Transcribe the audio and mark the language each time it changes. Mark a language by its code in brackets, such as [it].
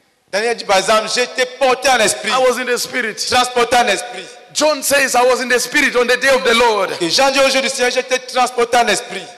[fr] Daniel dit, par exemple, j'étais porté en esprit. [en] I was in the spirit. [fr] Transporté en esprit. [en] John says, I was in the spirit on the day of the Lord. [fr] Et Jean dit, au jour du Seigneur, j'étais transporté en esprit.